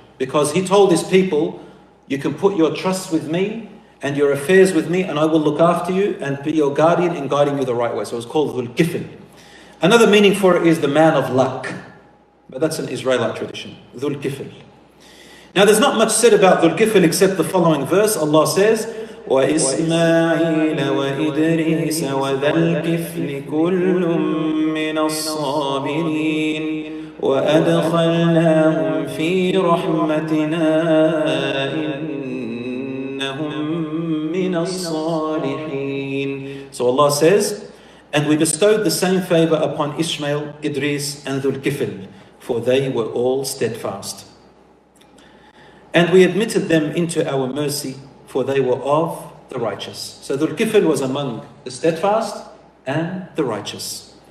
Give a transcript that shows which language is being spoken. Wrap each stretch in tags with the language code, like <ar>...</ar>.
<en>Because he told his people, you can put your trust with me and your affairs with me and I will look after you and be your guardian in guiding you the right way. So it's called Dhul Kifl. Another meaning for it is the man of luck. But that's an Israelite tradition. Dhul Kifl. Now there's not much said about Dhul Kifl except the following verse. Allah says,</en> <ar>وَإِسْمَاعِيلَ وَإِدْرِيسَ وَذَا الْكِفْلِ كُلٌّ مِّنَ الصَّابِرِينَ وَأَدْخَلْنَاهُمْ فِي رَحْمَتِنَا إِنَّهُمْ مِّنَ الصَّالِحِينَ.</ar> <en>So Allah says, and we bestowed the same favor upon Ismail, Idris, and Dhul Kifl, for they were all steadfast. And we admitted them into our mercy, for they were of the righteous. So Dhul Kifl was among the steadfast and the righteous.</en>